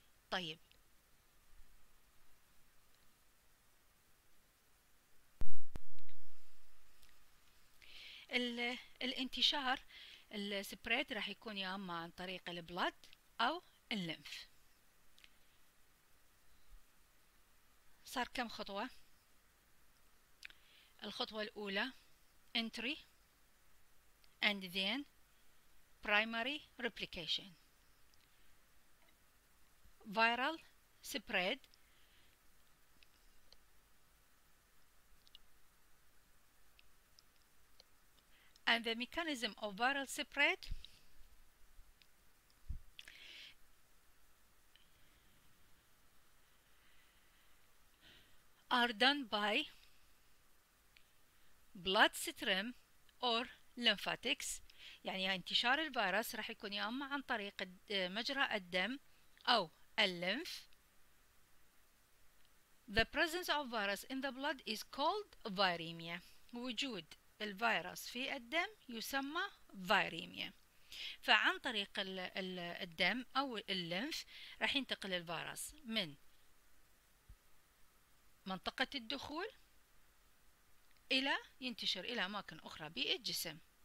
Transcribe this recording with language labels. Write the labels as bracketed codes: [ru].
[ar] طيب الانتشار spread راح يكون يا أما عن طريق blood أو الليمف. صار كم خطوة؟ الخطوة الأولى [en] entry and then primary replication. Viral spread and the mechanism of viral spread are done by bloodstream or lymphatics. [ar] يعني انتشار الفيروس راح يكون يا اما عن طريق مجرى الدم او الليمف. [en] The presence of virus in the blood is called viremia. [ar] وجود الفيروس في الدم يسمى فيريميا. فعن طريق الدم او الليمف راح ينتقل الفيروس من منطقة الدخول الى ينتشر الى اماكن اخرى بالجسم.